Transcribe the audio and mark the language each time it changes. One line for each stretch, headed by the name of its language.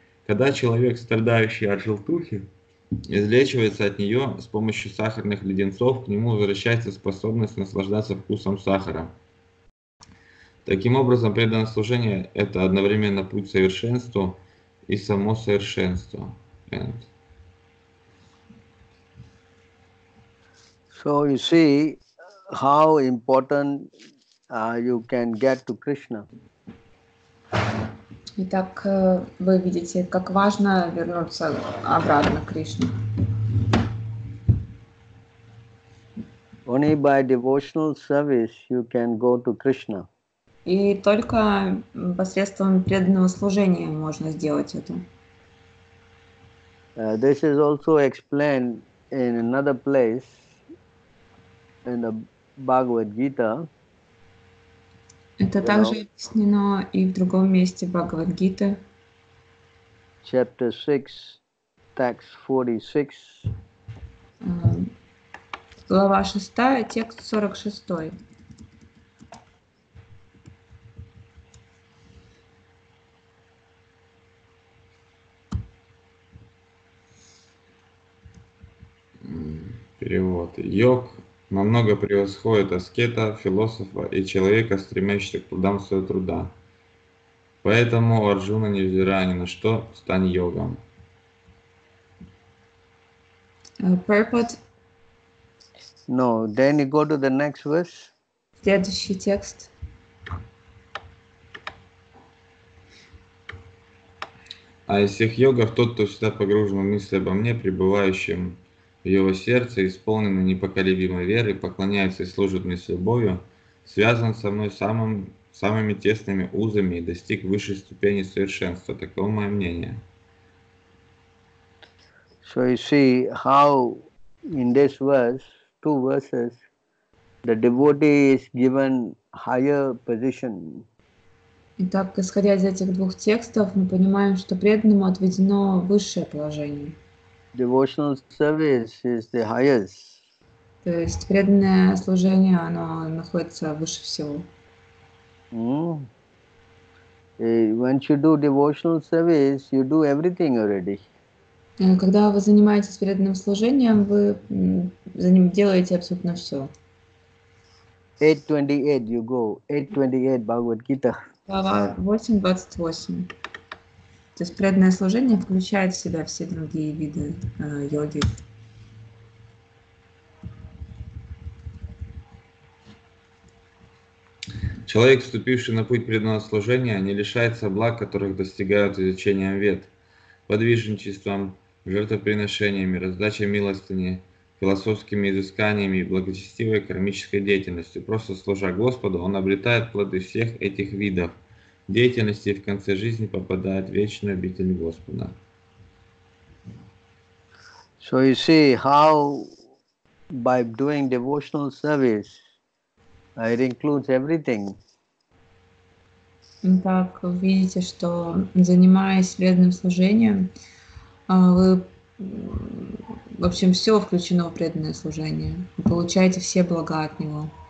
Russian: Когда человек, страдающий от желтухи, излечивается от нее с помощью сахарных леденцов, к нему возвращается способность наслаждаться вкусом сахара. Таким образом, преданное служение – это одновременно путь к совершенству и само совершенство.
English: And... So you see how important you can get to Krishna.
Russian: Итак, вы видите, как важно вернуться обратно к Кришне.
English: Only by devotional service you can go to Krishna.
Russian: И только посредством преданного служения можно сделать это.
English: This is also explained in another place in the Bhagavad Gita.
Russian: Это также объяснено и в другом месте Бхагавад-гиты.
English: Chapter 6, text 46.
Russian: Глава 6, текст 46. Перевод. Йог намного превосходит аскета, философа и человека, стремящегося к плодам своего труда. Поэтому Арджуна, невзирая ни на что, стань йогом.
English: Purport. No, then you go to the next verse.
Russian: Следующий текст. А из всех йогов тот, кто всегда погружен в мысли обо мне, пребывающем в его сердце, исполненный непоколебимой веры, поклоняется и служит мне с любовью, связан со мной самыми тесными узами и достиг высшей ступени совершенства. Таково мое мнение.
English: So you see how in this verse, two verses, the devotee is given higher position.
Russian: Итак, исходя из этих двух текстов, мы понимаем, что преданному отведено высшее положение.
English: Devotional service is the highest.
Russian: То есть преданное служение, оно находится выше всего.
English: Once you do devotional service, you do everything already.
Russian: Когда вы занимаетесь преданным служением, вы за ним делаете абсолютно все.
English: 8:28, you go. 8:28, Bhagavad Gita.
Russian: Глава 8:28. То есть преданное служение включает в себя все другие виды йоги. Человек, вступивший на путь преданного служения, не лишается благ, которых достигают изучением вед, подвижничеством, жертвоприношениями, раздачей милостыни, философскими изысканиями и благочестивой кармической деятельностью. Просто служа Господу, он обретает плоды всех этих видов деятельности и в конце жизни попадает в вечную обитель Господа.
English: So you see how by doing devotional service it includes everything.
Russian: Так, видите, что занимаясь преданным служением, вы, в общем, все включено в преданное служение. Вы получаете все блага от него.